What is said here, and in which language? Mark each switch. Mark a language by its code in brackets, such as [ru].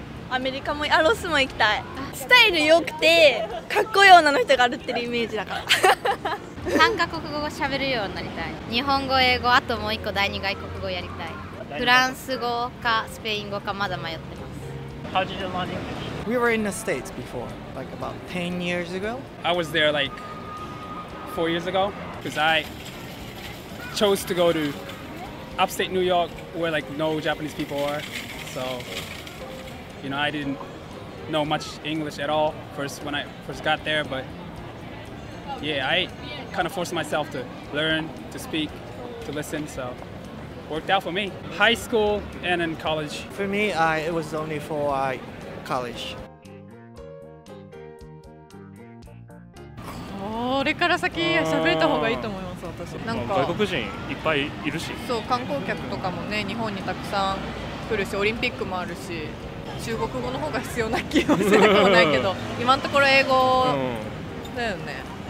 [ja] アメリカも、アロスも行きたい。スタイル良くてかっこいい女の人が歩ってるイメージだから 3カ国語喋るようになりたい。日本語、英語、あともう1個第2外国語やりたい。フランス語かスペイン語かまだ迷ってます。 [en] How did you learn English? We were in the States before, like about 10 years ago. I was there like 4 years ago because I chose to go to upstate New York where like no Japanese people are. So, you know, I didn't know much English at all first when I first got there, but yeah, I kind of forced myself to learn, to speak, to listen, so worked out for me. High school and in college. For me, it was only for college. [ja] これから先喋った方がいいと思います、私。なんか外国人いっぱいいるし。そう、観光客とかもね、日本にたくさん来るし、オリンピックもあるし、中国語の方が必要な気もせなくもないけど、今のところ英語だよね。